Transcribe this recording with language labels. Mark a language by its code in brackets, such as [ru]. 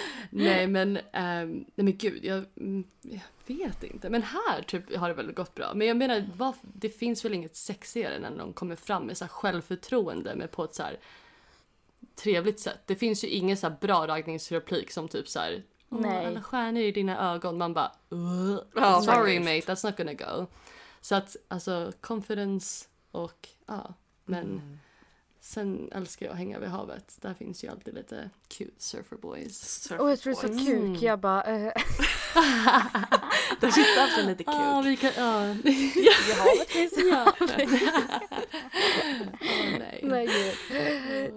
[sv] Nej, men... nej, men gud. Jag vet inte. Men här typ har det väl gått bra. Men jag menar, det finns väl inget sexigare när någon kommer fram med så här självförtroende med på ett så här trevligt sätt. Det finns ju ingen så här bra raggningsreplik som typ så här, Nej. Alla stjärnor i dina ögon. Man bara, [en] oh, sorry mate, that's not gonna go. [sv] Så att, alltså, confidence och, ja. Men sen älskar jag att hänga vid havet. Där finns ju alltid lite [en] cute surfer boys. Surfer [sv] och jag tror det är så kuk, jag bara... Där sitter alltid lite kuk. Ah, vi kan, ja, vi kan... Ja, vi har det i havet.